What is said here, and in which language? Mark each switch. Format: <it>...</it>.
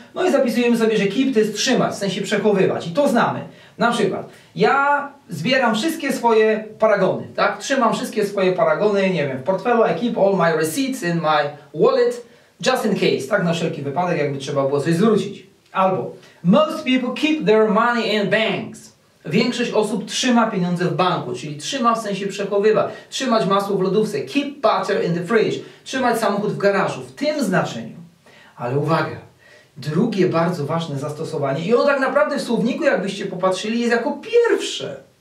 <pl>No i zapisujemy sobie, że keep to jest trzymać, w sensie przechowywać. I to znamy. Na przykład, ja zbieram wszystkie swoje paragony, tak? Trzymam wszystkie swoje paragony, nie wiem, w portfelu,</pl> <en>I keep all my receipts in my wallet. Just in case,</en> <pl>tak na wszelki wypadek, jakby trzeba było coś zwrócić. Albo</pl> <en>most people keep their money in banks.</en> <pl>Większość osób trzyma pieniądze w banku, czyli trzyma w sensie przechowywa. Trzymać masło w lodówce,</pl> <en>keep butter in the fridge.</en> <pl>Trzymać samochód w garażu, w tym znaczeniu. Ale uwaga, Drugie bardzo ważne zastosowanie, i ono tak naprawdę w słowniku, jakbyście popatrzyli, jest jako pierwsze.</pl>